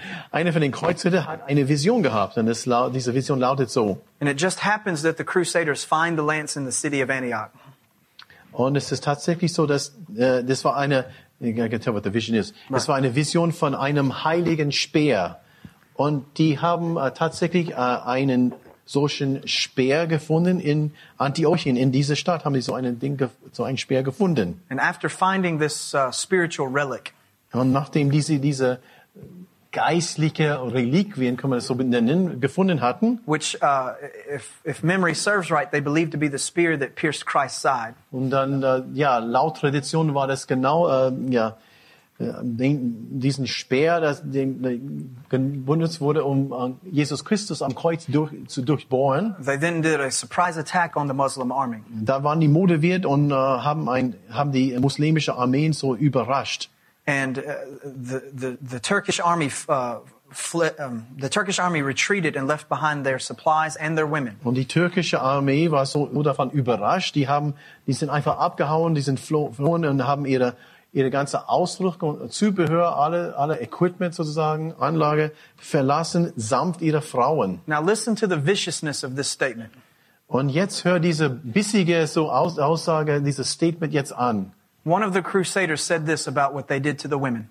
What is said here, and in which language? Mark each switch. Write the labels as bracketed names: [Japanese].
[German] Einer von den Kreuzzügler hat eine Vision gehabt, und diese Vision lautet so. [English] And it just happens that the Crusaders find the lance in the city of Antioch. [German] Und es ist tatsächlich so, dass das war eine [English] I can tell what the vision is. Right. [German] Es war eine Vision von einem heiligen Speer. Und die haben tatsächlich einen solchen Speer gefunden in Antiochien. In dieser Stadt haben sie so einen Speer gefunden. [English] And after finding this spiritual relic. [German] Und nachdem diese geistliche Reliquien, kann man das so nennen, gefunden hatten. [English] Which, if memory serves right, they believed to be the spear that pierced Christ's side. [German] Und dann, laut Tradition war das genau, diesen Speer, benutzt wurde, um Jesus Christus am Kreuz zu durchbohren. [English] They then did a surprise attack on the Muslim army. [German] Da waren die motiviert und haben die muslimische Armeen so überrascht. [English] And the Turkish army retreated and left behind their supplies and their women. [German] Und die türkische Armee war so nur davon überrascht. Die sind einfach abgehauen. Die sind flohen und haben ihre ganze Ausrüstung, Zubehör, alle Equipment sozusagen, Anlage verlassen, samt ihrer Frauen. [English] Now listen to the viciousness of this statement. [German] Und jetzt hör diese bissige so Aussage, dieses Statement jetzt an. [English] One of the Crusaders said this about what they did to the women.